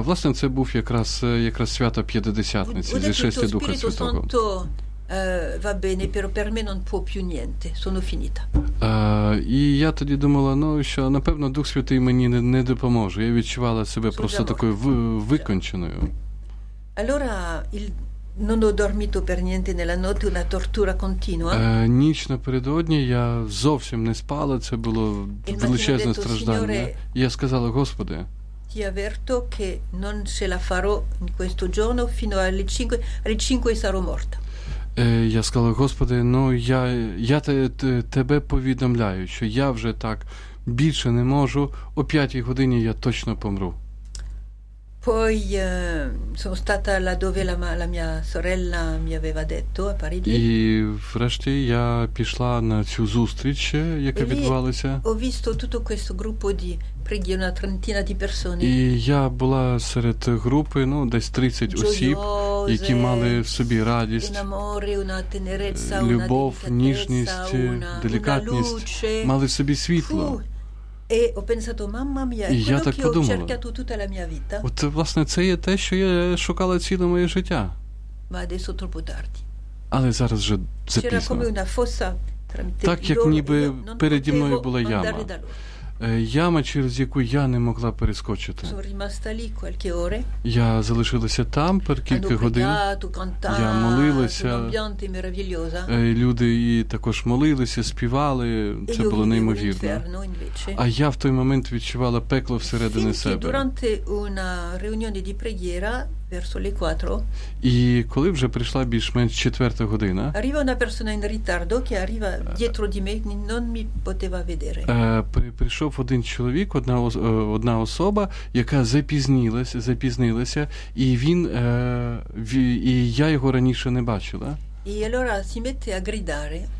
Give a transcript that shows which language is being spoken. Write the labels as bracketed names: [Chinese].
[Ukrainian] Власне, це був якраз свято П'ятидесятниці зі шестя Духа Святого. [Italian] Va bene, però per me non può più niente, sono finita. [Ukrainian] І я тоді думала, ну, що, напевно, Дух Святий мені не допоможе. Я відчувала себе [Italian] sono [Ukrainian] просто такою виконченою. [Italian] Allora, non ho dormito per niente nella notte, una tortura continua. [Ukrainian] Ніч напередодні я зовсім не спала, це було величезне страждання. [Italian] Signore, [Ukrainian] я сказала: «Господи, [Italian] ti avverto che non ce la farò in questo giorno fino alle 5, alle 5 sarò morta». [Ukrainian] Я сказала: «Господи, ну я тебе повідомляю, що я вже так більше не можу, о 5 годині я точно помру». [Italian] Poi sono stata laddove la mia sorella mi aveva detto a Parigi. [Ukrainian] І врешті я пішла на цю зустріч, яка відбувалася. [Italian] Ho visto tutto questo gruppo di preghiera, una trentina di persone. [Ukrainian] І я була серед групи, ну, десь 30 [Italian] gioiose, [Ukrainian] осіб, які мали в собі радість, [Italian] in amore, una tenerezza, [Ukrainian] любов, [Italian] una [Ukrainian] ніжність, делікатність, [Italian] una luce, [Ukrainian] мали в собі світло. [Italian] E ho pensato: «Mamma mia, è quello che [Ukrainian] подумала, [Italian] ho cercato tutta la mia vita». [Ukrainian] От, власне, це є те, що я шукала ціле моє життя. [Italian] Ma adesso troppo tardi. [Ukrainian] Але зараз вже це пізно. [Italian] C'era come una fossa tra me. [Ukrainian] Так, як ніби переді мною була яма. Яма, через яку я не могла перескочити. [Italian] Sono rimasta lì qualche ore. [Ukrainian] Я залишилася там [Italian] per [Ukrainian] кілька годин. Я молилася. [Italian] L'ambiente meraviglioso. [Ukrainian] Люди і також молилися, співали. Це було неймовірно. А я в той момент відчувала пекло всередині себе. [Italian] Durante una riunione di preghiera verso le 4. [Ukrainian] І коли вже прийшла більш-менш четверта година, [Italian] arriva una persona in ritardo che arriva dietro di me, non mi poteva vedere. [Ukrainian] Прийшов один чоловік, одна особа, яка запізнилася, і він і я його раніше не бачила. [Italian] E allora si mette a gridare.